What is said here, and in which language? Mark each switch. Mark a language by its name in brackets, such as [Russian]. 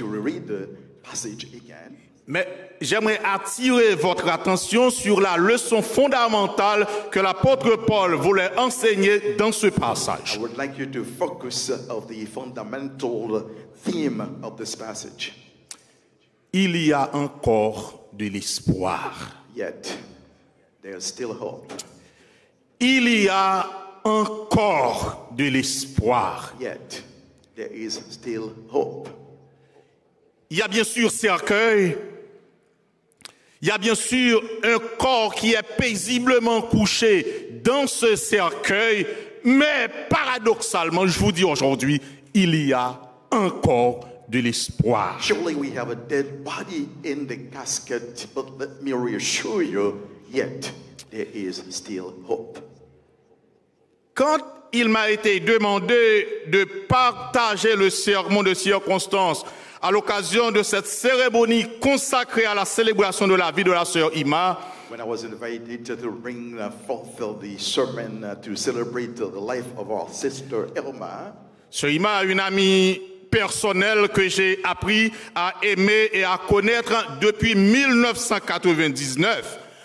[English] I'm not going to reread the passage again. [French] Mais j'aimerais attirer votre attention sur la leçon fondamentale que l'apôtre Paul voulait enseigner dans ce passage. [English] I would like you to focus on the fundamental theme of this passage. [French] Il y a encore de l'espoir. [English] Yet, there is still hope. [French] Il y a encore de l'espoir. [English] Yet, there is still hope. [French] Il y a bien sûr cercueil. Il y a bien sûr un corps qui est paisiblement couché dans ce cercueil, mais paradoxalement, je vous dis aujourd'hui, il y a encore de l'espoir. [English] Surely we have a dead body in the casket, but let me reassure you, yet there is still hope. [French] Quand il m'a été demandé de partager le serment de circonstance à l'occasion de cette cérémonie consacrée à la célébration de la vie de la sœur Ima, [English] when I was invited to bring forth the sermon to celebrate the life of our sister Irma, [French] sœur Ima a une amie personnelle que j'ai appris à aimer et à connaître depuis 1999.